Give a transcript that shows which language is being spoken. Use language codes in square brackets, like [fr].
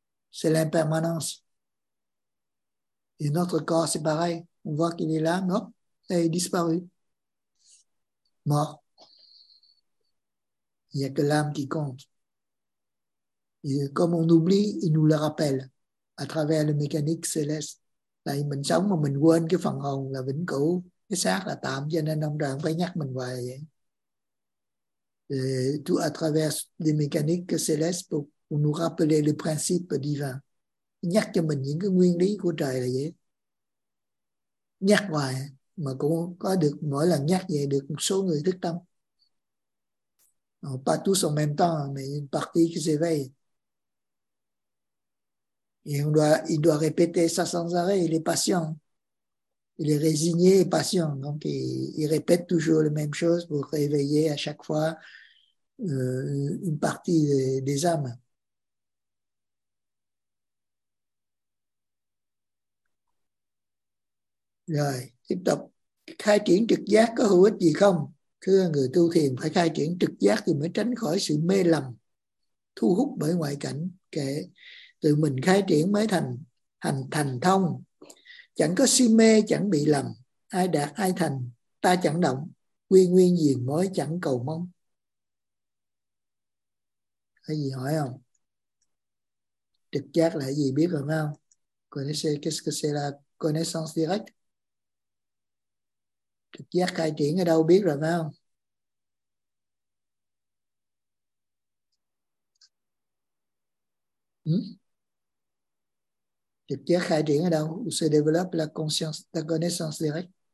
[fr] C'est l'impermanence. Et notre corps, c'est pareil. On voit qu'il est là, non, il est disparu, mort. Il n'y a que l'âme qui compte. Et comme on oublie, il nous le rappelle à travers la mécanique céleste. [vi] Là mình sống mà mình quên cái phần hồn là vĩnh cửu, cái xác là tạm, cho nên ông trời phải nhắc mình hoài vậy. [fr] Et tout à travers des mécaniques célestes pour nous rappeler le principe divin. [vi] Nhắc cho mình những cái nguyên lý của trời là vậy. Nhắc hoài mà cũng có được mỗi lần nhắc về được một số người thức tâm. [fr] Pas tous en même temps, mais une partie qui s'éveille. Et il doit répéter ça sans arrêt. Il est patient. Il est résigné et patient. Donc il répète toujours la même chose pour réveiller à chaque fois une partie des âmes. [vi] Rồi, tiếp tục. khai triển trực giác có hữu ích gì không? Thưa người tu thiền, phải khai triển trực giác thì mới tránh khỏi sự mê lầm thu hút bởi ngoại cảnh. Kể tự mình khai triển mới thành thông, chẳng có si mê, chẳng bị lầm, ai đạt ai thành, ta chẳng động, quy nguyên gì mới chẳng cầu mong. Cái gì hỏi không? Trực giác là gì biết rồi không? [fr] Qu'est-ce que c'est la connaissance directe? [vi] Trực giác khai triển ở đâu biết rồi không? Trực giác khai triển ở đâu? [fr] Où se développe la conscience, la connaissance directe?